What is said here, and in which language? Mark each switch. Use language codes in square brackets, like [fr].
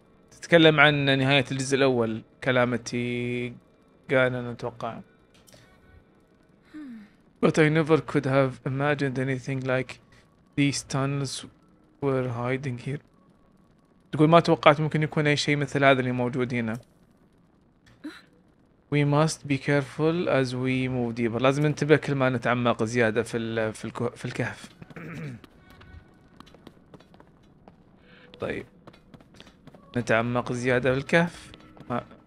[ar] تتكلم عن نهاية الجزء الأول. calamity قال أنا أتوقع. [en] But I never could have imagined anything like these tunnels were hiding here. [ar] تقول ما توقعت ممكن يكون أي شيء مثل هذا اللي موجود هنا. [en] We must be careful as we move deeper. [ar] لازم ننتبه كل ما نتعمق زيادة في الكهف. طيب نتعمق زيادة في الكهف. ما.